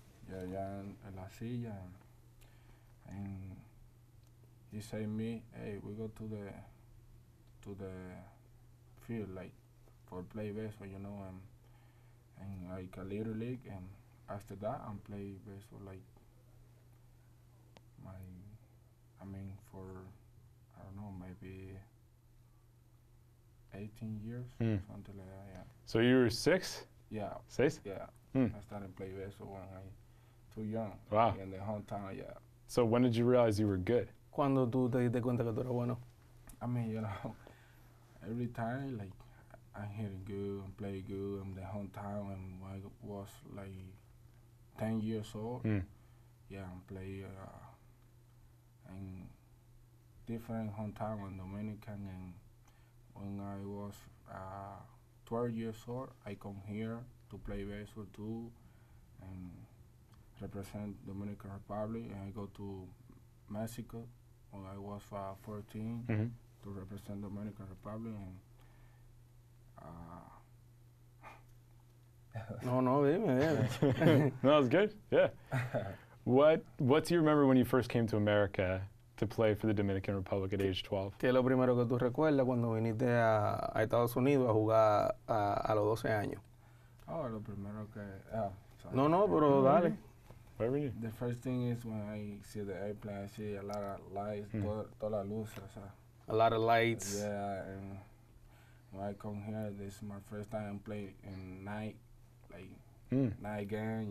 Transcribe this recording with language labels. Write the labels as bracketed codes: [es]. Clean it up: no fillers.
[en] Yeah, in [es] la silla, [en] and he said to me, hey, we go to the field, like, for play baseball, you know, and like a little league, and after that, I'm play baseball like maybe 18 years, something like that, yeah. So you were six? Yeah. Six? Yeah. Hmm. I started play baseball when I too young. Wow. In the hometown, yeah. So when did you realize you were good? [es] Cuando tú te diste cuenta que tú eras bueno? [en] I mean, you know, every time, like, I hit it good and play good in the hometown, and when I was like 10 years old, yeah, I play in different hometown in Dominican, and when I was 12 years old, I come here to play baseball too and represent Dominican Republic, and I go to Mexico when I was 14 to represent Dominican Republic. And [es] no, dime, dime. [en] No, that was good. Yeah. What do you remember when you first came to America to play for the Dominican Republic at age 12? [es] ¿Qué es lo primero que tú recuerdas cuando viniste a Estados Unidos a jugar a los 12 años? Oh, lo primero que. No, no, pero dale. [en] Where were you? The first thing is when I see the airplane, I see a lot of lights, [es] toda la luz, o sea. [en] A lot of lights. Yeah. And when I come here, this is my first time playing in night, like night game.